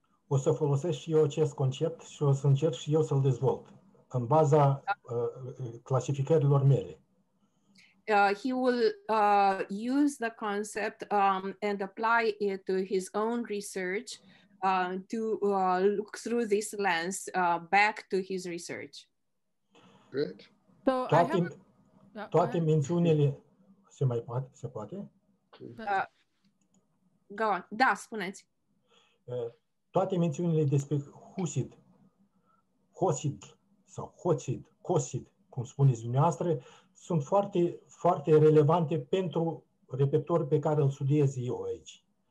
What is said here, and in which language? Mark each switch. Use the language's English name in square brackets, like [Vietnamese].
[Romanian] O să folosesc și eu acest concept și o să încerc și eu să-l dezvolt în baza clasificărilor mele. [English] He will use the concept and apply it to his own research to look through this lens back to his research. Great. So [Romanian] toate, [English] I have a... [Romanian] toate mințiunile se mai poate, se poate? [English] Go on. [Romanian] Da, spuneți. Toate mențiunile despre Husid, Hosid sau Hosid, Cosid, cum spuneți dumneavoastră, sunt foarte, foarte relevante pentru repertoriul pe care îl studiez eu aici.